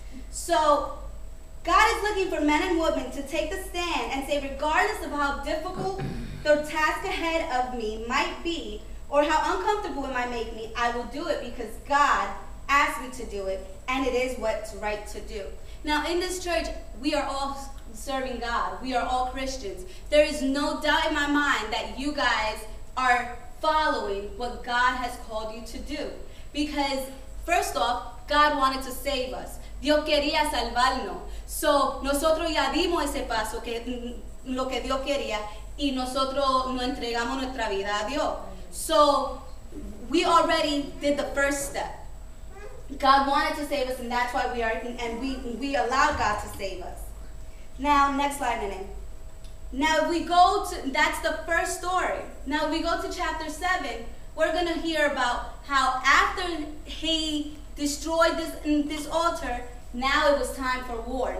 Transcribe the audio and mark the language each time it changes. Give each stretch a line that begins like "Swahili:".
English: So God is looking for men and women to take the stand and say, regardless of how difficult the task ahead of me might be or how uncomfortable it might make me, I will do it because God asked me to do it and it is what's right to do. Now, in this church, we are all serving God. We are all Christians. There is no doubt in my mind that you guys are following what God has called you to do. Because, first off, God wanted to save us.
Spanish: Dios quería salvarnos. So, nosotros ya dimos ese paso, que lo que Dios quería, y nosotros nos entregamos nuestra vida a Dios.
English: So, we already did the first step. God wanted to save us, and that's why we are, and we allow God to save us. Now, next slide, Nene. Now, if we go to, that's the first story. Now, if we go to chapter 7, we're going to hear about how after he destroyed this altar, now it was time for war.